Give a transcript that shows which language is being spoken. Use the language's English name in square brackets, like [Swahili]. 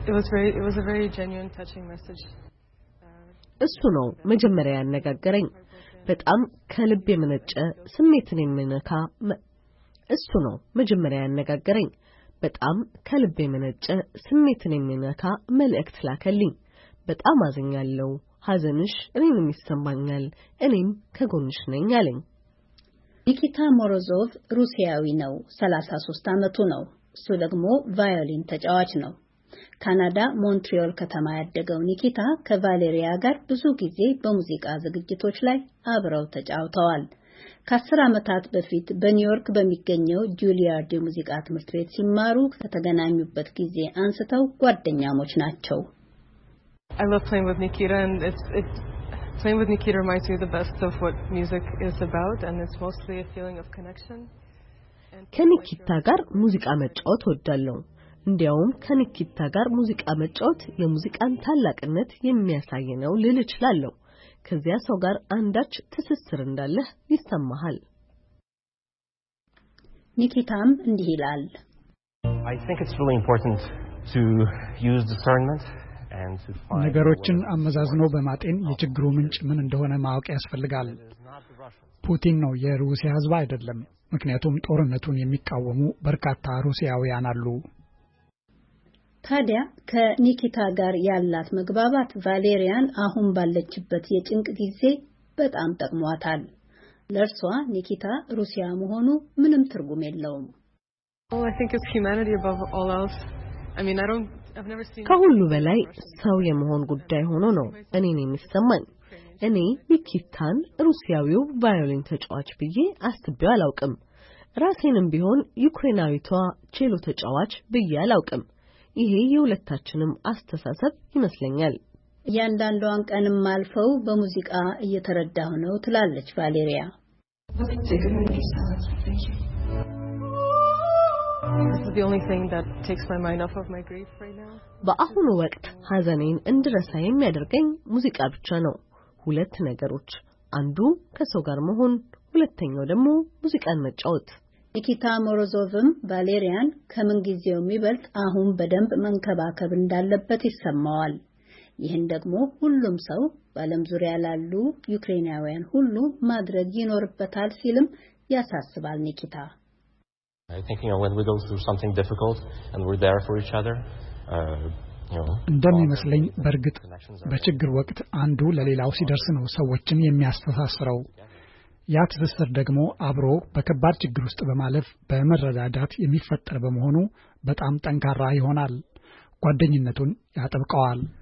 [English] It was a very genuine touching message. [Amharic] እሱ ነው መጀመሪያ ያነጋገረኝ። በጣም ከልብ የመነጨ ስሜትን የሚነካ መልእክት ላከልኝ። በጣም አዝኛለሁ። ሐዘንሽ እኔንም ይሰማኛል። እኔም ከጎንሽ ነኝ አለኝ። ኒኪታ ሞሮዞቭ ሩሲያዊ ነው። 33 ዓመቱ ነው። እሱ ደግሞ ቫዮሊን ተጫዋች ነው። ካናዳ ሞንትሪዮል ከተማ ያደገው ኒኪታ ከቫሌሪያ ጋር ብዙ ጊዜ በሙዚቃ ዝግጅቶች ላይ አብረው ተጫውተዋል። ከአስር ዓመታት በፊት በኒውዮርክ በሚገኘው ጁሊያርድ የሙዚቃ ትምህርት ቤት ሲማሩ ከተገናኙበት ጊዜ አንስተው ጓደኛሞች ናቸው። [English] I love playing with Nikita and playing with Nikita reminds me of the best of what music is about and it's mostly a feeling of connection. [Amharic] ከኒኪታ ጋር ሙዚቃ መጫወት ወዳለሁ። እንዲያውም ከኒኪታ ጋር ሙዚቃ መጫወት የሙዚቃን ታላቅነት የሚያሳይ ነው ልል እችላለሁ። ከዚያ ሰው ጋር አንዳች ትስስር እንዳለህ ይስተማሃል። ኒኪታም እንዲህ ይላል [English] I think it's really important to use discernment and to find [Amharic] ነገሮችን አመዛዝኖ በማጤን የችግሩ ምንጭ ምን እንደሆነ ማወቅ ያስፈልጋል። ፑቲን ነው የሩሲያ ህዝብ አይደለም። ምክንያቱም ጦርነቱን የሚቃወሙ በርካታ ሩሲያውያን አሉ። ታዲያ ከኒኪታ ጋር ያላት መግባባት ቫሌሪያን አሁን ባለችበት የጭንቅ ጊዜ በጣም ጠቅሟታል። ለርሷ ኒኪታ ሩሲያ መሆኑ ምንም ትርጉም የለውም። [English] Oh, I think it's humanity above all else. I mean, I've never seen [Amharic] ከሁሉ በላይ ሰው የመሆን ጉዳይ ሆኖ ነው እኔን የሚስማኝ። እኔ ኒኪታን ሩሲያዊው ቫዮሊን ተጫዋች ብዬ አስቤው አላውቅም። ራሴንም ቢሆን ዩክሬናዊቷ ቼሎ ተጫዋች ብዬ አላውቅም። ይሄ የሁለታችንም አስተሳሰብ ይመስለኛል። ያንዳንዷን ቀንም ማልፈው በሙዚቃ እየተረዳሁ ነው ትላለች ቫሌሪያ። [English] This is the only thing that takes my mind off of my grief right now. [Amharic] በአሁኑ ወቅት ሀዘኔን እንድረሳ የሚያደርገኝ ሙዚቃ ብቻ ነው። ሁለት ነገሮች፣ አንዱ ከሰው ጋር መሆን፣ ሁለተኛው ደግሞ ሙዚቃን መጫወት። ኒኪታ ሞሮዞቭም ቫሌሪያን ከምን ጊዜው የሚበልጥ አሁን በደንብ መንከባከብ እንዳለበት ይስማዋል። ይህን ደግሞ ሁሉም ሰው በአለም ዙሪያ ላሉ ዩክሬናውያን ሁሉ ማድረግ ይኖርበታል ሲልም ያሳስባል ኒኪታ። [English] I think you know when we go through something difficult and we're there for each other [Amharic] እንደሚመስለኝ በርግጥ በችግር ወቅት አንዱ ለሌላው ሲደርስ ነው ሰዎችን የሚያስተሳስረው። ያ ትስስር ደግሞ አብሮ በከባድ ችግር ውስጥ በማለፍ በመረዳዳት የሚፈጠር በመሆኑ በጣም ጠንካራ ይሆናል። ጓደኝነቱን ያጠብቀዋል።